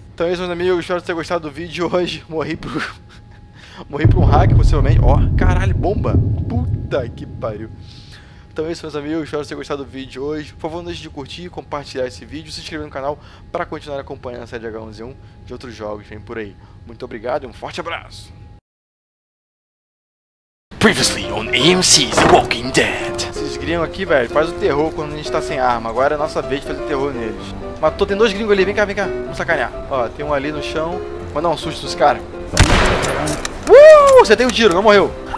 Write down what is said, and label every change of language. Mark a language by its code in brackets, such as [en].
[pt] Então é isso, meus amigos. Espero que vocês tenham gostado do vídeo de hoje. Morri pro um hack, possivelmente. Ó, caralho, bomba. Puta que pariu. Então é isso, meus amigos. Espero que vocês tenham gostado do vídeo de hoje. Por favor, não deixe de curtir e compartilhar esse vídeo. Se inscrever no canal para continuar acompanhando a série H1Z1 de outros jogos. Vem por aí. Muito obrigado e um forte abraço. [en] Previously on AMC's Walking Dead. [pt] Esses gringos aqui, velho, faz o terror quando a gente tá sem arma. Agora é a nossa vez de fazer terror neles. Matou, tem dois gringos ali, vem cá, vamos sacanear. Ó, tem um ali no chão. Vou dar um susto nos caras. Você tem um tiro, não morreu.